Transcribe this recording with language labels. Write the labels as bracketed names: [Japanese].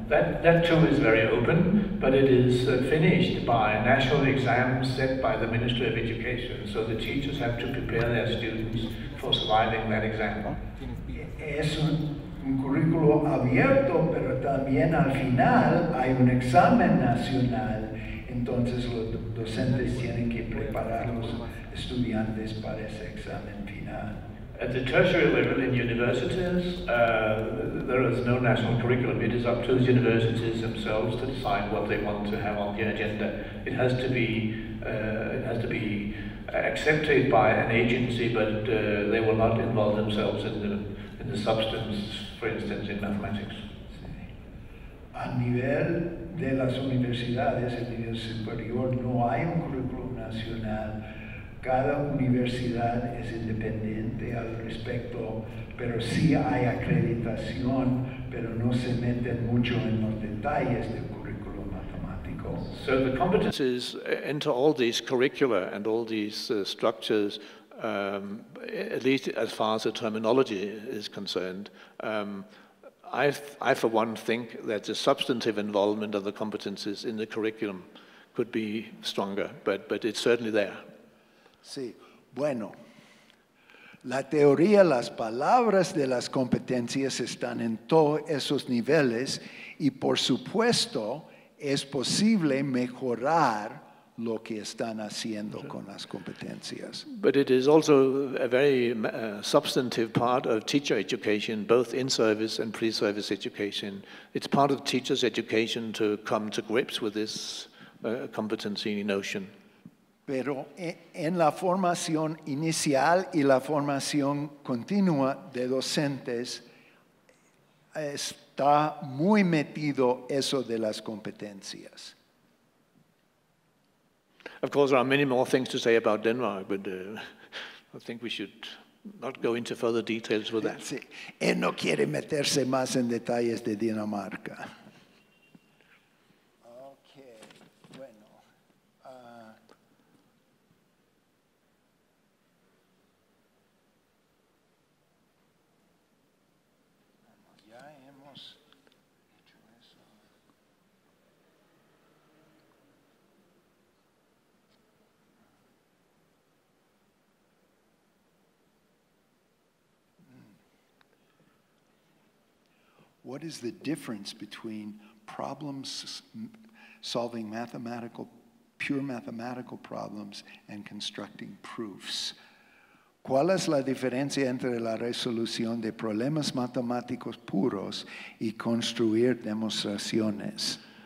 [English] That too is very open, but it is finished by a national exam set by the Ministry of Education, so the teachers have to prepare their students for surviving that exam. [Spanish] Es un currículo abierto, pero también al final hay un examen nacional. Entonces los docentes tienen que preparar los estudiantes para ese examen final. [English] At the tertiary level in universities, there is no national curriculum. It is up to the universities themselves to decide what they want to have on the agenda. It has to be accepted by an agency, but they will not involve themselves in the substance, for instance, in mathematics. [Spanish] A nivel de las universidades, a nivel superior, no hay un currículum nacional. Cada universidad es independiente al respecto, pero sí hay acreditación, pero no se meten mucho en los detalles del currículo matemático. [English] So the competencies enter all these curricula and all these structures, at least as far as the terminology is concerned. I for one think that the substantive involvement of the competencies in the curriculum could be stronger, but it's certainly there. [Spanish] Sí, bueno, la teoría, las palabras de las competencias están en todos esos niveles y por supuesto es posible mejorar lo que están haciendo con las competencias. [English] But it is also a very substantive part of teacher education, both in-service and pre-service education. It's part of teacher's education to come to grips with this competency notion. [Spanish] Pero en la formación inicial y la formación continua de docentes está muy metido eso de las competencias. [English] Of course, there are many more things to say about Denmark, but I think we should not go into further details with that. [Spanish] Sí. Él no quiere meterse más en detalles de Dinamarca. [English] What is the difference between problems solving mathematical, pure mathematical problems and constructing proofs? [Spanish] ¿Cuál es la diferencia entre la resolución de problemas matemáticos puros y construir demostraciones?